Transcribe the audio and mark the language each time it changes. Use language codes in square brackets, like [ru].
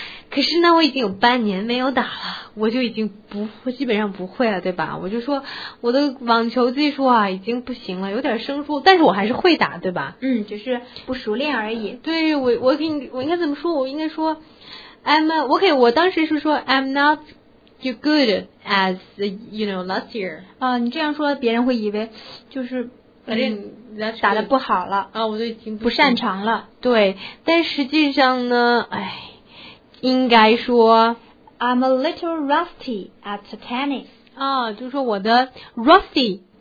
[zh] 可是呢，我已经有半年没有打了，我基本上不会了，对吧？我就说我的网球技术啊，已经不行了，有点生疏，但是我还是会打，对吧？只是不熟练而已。对，我应该怎么说？我应该说， [en] Okay, [zh] 我当时是说 [en] I'm not too good as, you know, last year. [zh] 你这样说别人会以为就是打得不好了。我都已经不擅长了。对，但实际上呢，应该说 [en] I'm a little rusty at tennis. [zh] 就是说我的 rusty,